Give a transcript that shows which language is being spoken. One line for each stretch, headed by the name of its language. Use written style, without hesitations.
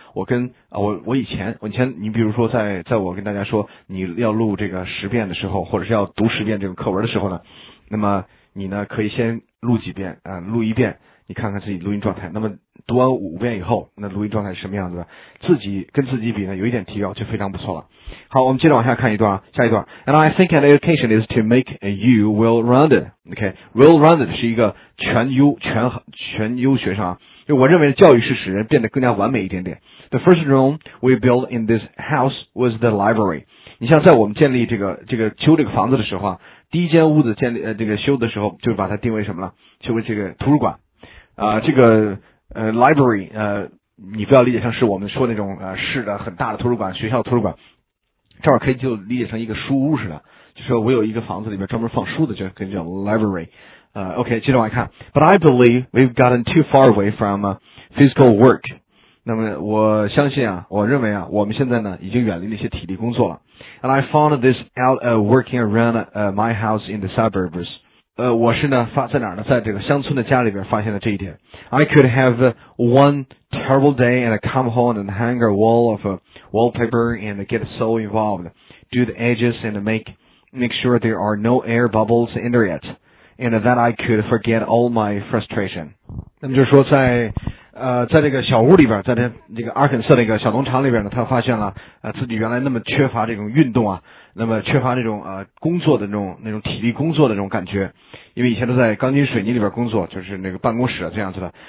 Chinese: 我跟我以前你比如说在我跟大家说你要录这个十遍的时候，或者是要读十遍这种课文的时候呢，那么你呢可以先录几遍录一遍，你看看自己录音状态。那么读完五遍以后，那录音状态是什么样子的？自己跟自己比呢，有一点提高就非常不错了。好，我们接着往下看一段，下一段。
English: And I think an education is to make you well-rounded.
Chinese: Okay, well-rounded 是一个全优学生就我认为教育是使人变得更加完美一点点。
English: The first room we built in this house was the library.
Chinese: 你像在我们建立这个修这个房子的时候第一间屋子建立这个修的时候，就把它定为什么了？修为这个图书馆。 library 你不要理解成是我们说那种市的很大的图书馆，学校图书馆，正好可以就理解成一个书屋似的，就说我有一个房子里边专门放书的，就可以叫 library。
English: OK，
Chinese: 接着往下看。
English: But I believe we've gotten too far away from physical work。
Chinese: 那么我相信啊，我认为啊，我们现在呢已经远离那些体力工作了。
English: And I found this out working around my house in the suburbs。
Chinese: 我是呢发在哪儿呢？在这个乡村的家里边发现了这一点。
English: I could have one terrible day and come home and hang a wall of wallpaper and get so involved, do the edges and make sure there are no air bubbles in there yet, and that I could forget all my frustration。
Chinese: 那么就是说在这个小屋里边，在这个阿肯色的一个小农场里边呢，他发现了自己原来那么缺乏这种运动啊，那么缺乏那种工作的那种体力工作的那种感觉，因为以前都在钢筋水泥里边工作，就是那个办公室这样子的。